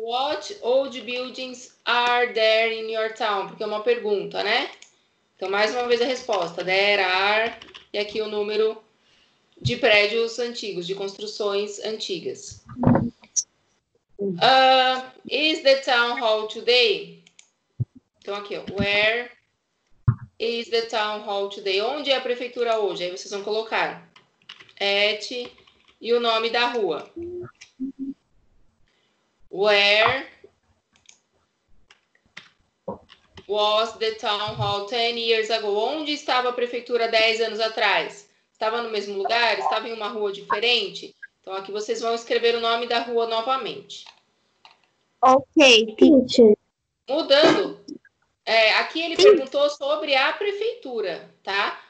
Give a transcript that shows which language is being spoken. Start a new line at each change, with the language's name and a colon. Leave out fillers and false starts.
English: What old buildings are there in your town?
Portuguese: Porque é uma pergunta, né? Então, mais uma vez a resposta.
English: There are...
Portuguese: E aqui o número... De prédios antigos, de construções antigas.
English: Is the town hall today?
Portuguese: Então, aqui, ó.
English: Where is the town hall today?
Portuguese: Onde é a prefeitura hoje? Aí vocês vão colocar. At e o nome da rua.
English: Where was the town hall 10 years ago?
Portuguese: Onde estava a prefeitura 10 anos atrás? Estava no mesmo lugar? Estava em uma rua diferente? Então, aqui vocês vão escrever o nome da rua novamente.
English: Ok, teacher.
Portuguese: Mudando. Aqui ele perguntou sobre a prefeitura, tá?